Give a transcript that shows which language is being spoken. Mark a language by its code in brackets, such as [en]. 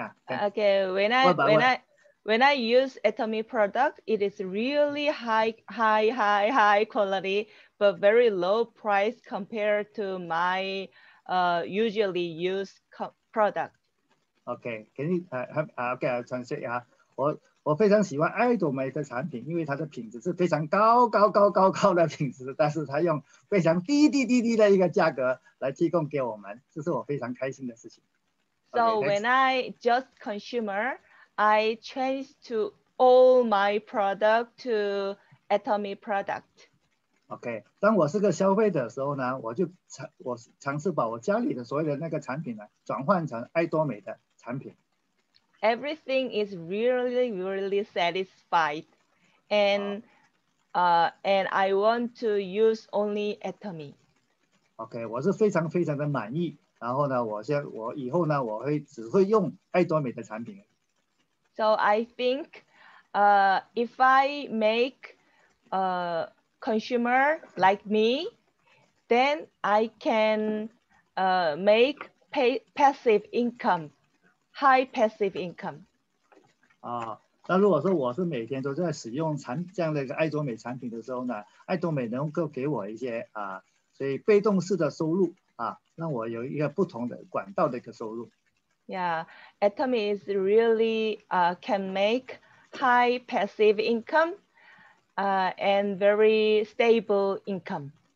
[en] Okay, when I use Atomy product, it is really high quality, but very low price compared to my usually used product. Okay, can you okay, I'll translate. [zh] Yeah, 我非常喜欢爱多美的产品，因为它的品质是非常高的品质，但是它用非常低的一个价格来提供给我们，这是我非常开心的事情。 So okay, [en] when I just consumer, I change to all my product to Atomy product. [zh] Okay, 当我是个消费者的时候呢，我尝试把我家里的所有的那个产品呢转换成爱多美的产品。 [en] Everything is really, really satisfied, and And I want to use only Atomy. [zh] Okay, 我是非常非常的满意。然后呢，我以后呢，我会只会用爱多美的产品。 [en] So I think, if I make a consumer like me, then I can make passive income, high passive income. [zh] 那如果说我是每天都在使用这样的一个爱多美产品的时候呢，爱多美能够给我一些所以被动式的收入啊，让我有一个不同的管道的一个收入。 [en] Yeah, Atomy is really can make high passive income and very stable income.